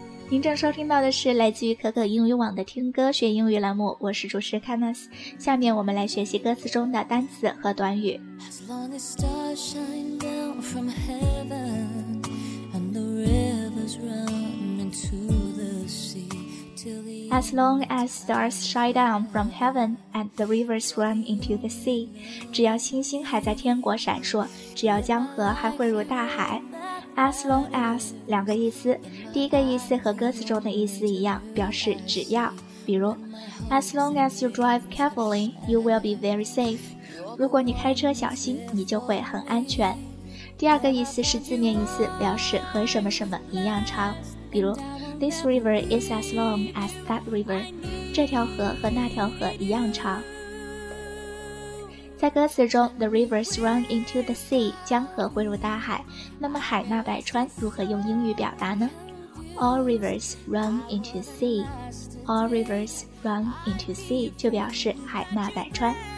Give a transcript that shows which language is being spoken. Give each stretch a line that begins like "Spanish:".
Chinese: 您正收听到的是来自于可可英语网的听歌学英语栏目，我是主持 Kanas。下面我们来学习歌词中的单词和短语。
English: As long as stars shine down from heaven and the rivers run into the sea. As long as stars shine down from heaven and the rivers run into the sea.
Chinese: 只要星星还在天国闪烁，只要江河还汇入大海。
English: As long as 两个意思，第一个意思和歌词中的意思一样，表示只要，比如 As long as you drive carefully, you will be very safe.
Chinese: 如果你开车小心，你就会很安全。第二个意思是字面意思，表示和什么什么一样长，比如
English: This river is as long as that river.
Chinese: 这条河和那条河一样长。在歌词中
English: The rivers run into the sea
Chinese: 江河汇入大海，那么海纳百川如何用英语表达呢？
English: All rivers run into sea.
Chinese: All rivers run into sea 就表示海纳百川。